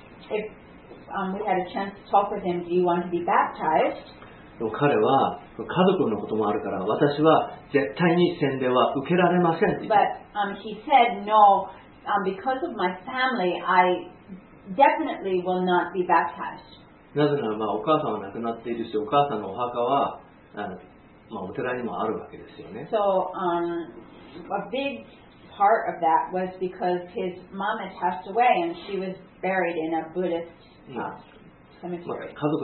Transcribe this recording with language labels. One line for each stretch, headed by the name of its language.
English: if we had a chance to talk with him, do you want to be baptized?
Japanese: 彼は家族のこともあるから私は絶対に洗礼は受けられませんって言った。
English: But he said no, because of my family, I definitely will not be baptized.
Japanese: なぜならまあお母さんは亡くなっているし、お母さんのお墓はまあお寺にもあるわけですよね。
English: So a bigpart of that was because his mom had passed away and she was buried in a Buddhist cemetery.